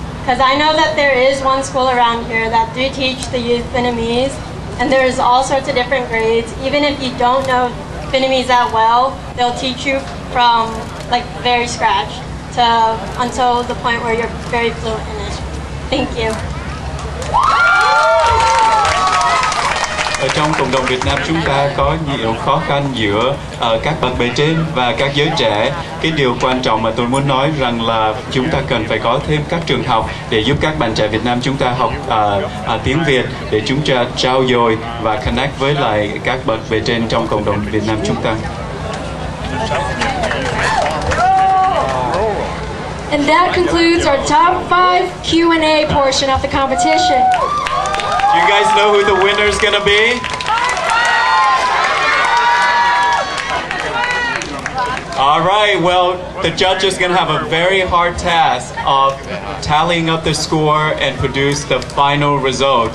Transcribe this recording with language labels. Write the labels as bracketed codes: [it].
[en] Because I know that there is one school around here that do teach the youth Vietnamese, and there is all sorts of different grades. Even if you don't know Vietnamese that well, they'll teach you from like very scratch to until the point where you're very fluent in it. Thank you. [vi] Ở trong cộng đồng Việt Nam chúng ta có nhiều khó khăn giữa các bậc bề trên và các giới trẻ. Cái điều quan trọng mà tôi muốn nói rằng là chúng ta cần phải có thêm các trường học để giúp các bạn trẻ Việt Nam chúng ta học tiếng Việt để chúng ta trao dồi và connect với lại các bậc bề trên trong cộng đồng Việt Nam chúng ta. [en] And that concludes our top 5 Q&A portion of the competition. Do you guys know who the winner is going to be? All right, well, the judge is going to have a very hard task of tallying up the score and produce the final result.